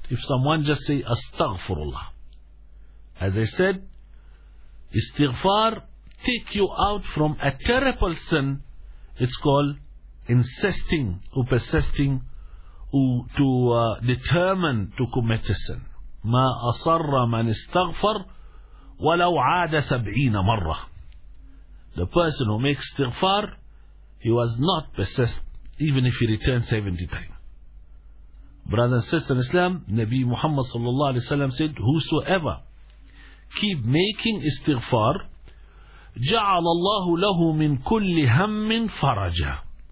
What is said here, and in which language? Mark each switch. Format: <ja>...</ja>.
<en>If someone just say astaghfirullah, as I said, istighfar take you out from a terrible sin. It's called insisting or persisting to determine to commit a sin.</en> <ar>ما أصر من استغفر ولو عاد سبعين مرة.</ar> <en>The person who makes istighfar, he was not persistent even if he returned 70 times. Brother and sister in Islam, Nabi Muhammad sallallahu alaihi wasallam said, whosoever keep making istighfar,</en> <ar>ja'ala Allahu lahu min kulli hammin faraja.</ar>